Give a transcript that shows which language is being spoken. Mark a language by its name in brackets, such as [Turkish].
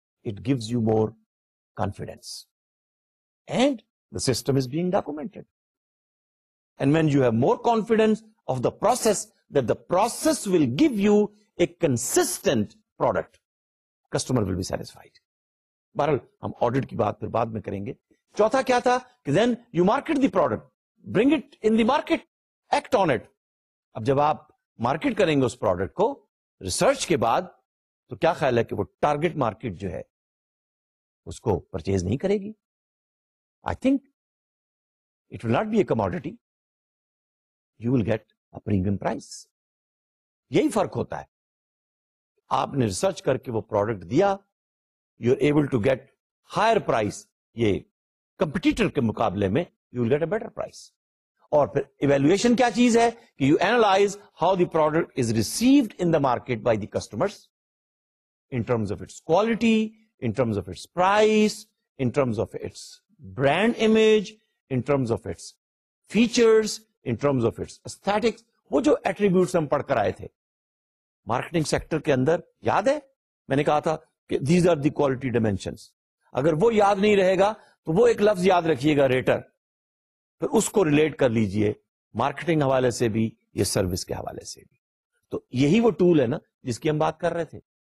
[English] It gives you more confidence and the system is being documented, and when you have more confidence of the process that the process will give you a consistent product, customer will be satisfied. [Urdu] بہرحال ہم audit کی بات پھر بعد میں کریں گے. چوتھا کیا تھا کہ [English] Then you market the product, bring it in the market, act on it. [Urdu] اب جب آپ مارکیٹ کریں گے اس پروڈکٹ کو ریسرچ کے بعد, تو کیا خیال ہے کہ وہ ٹارگیٹ مارکیٹ جو ہے اس کو پرچیز نہیں کرے گی؟ [English] I think it will not be a commodity, you will get a premium price. [Urdu] یہی فرق ہوتا ہے, آپ نے ریسرچ کر کے وہ پروڈکٹ دیا, [English] you are able to get higher price [Urdu] یہ کمپٹیٹر کے مقابلے میں, [English] you will get a better price. [Urdu] Or phir evaluation kya cheez hai, ki [English] you analyze how the product is received in the market by the customers in terms of its quality, in terms of its price, in terms of its brand image, in terms of its features, in terms of its aesthetics. [Urdu] Wo jo attributes hum padh kar aaye the, marketing sector کے اندر یاد ہے میں نے کہا تھا کہ [English] These are the quality dimensions. [Urdu] اگر وہ یاد نہیں رہے گا تو وہ ایک لفظ یاد رکھیے گا ریٹر, پھر اس کو ریلیٹ کر لیجئے مارکیٹنگ حوالے سے بھی یا سروس کے حوالے سے بھی. تو یہی وہ ٹول ہے نا جس کی ہم بات کر رہے تھے.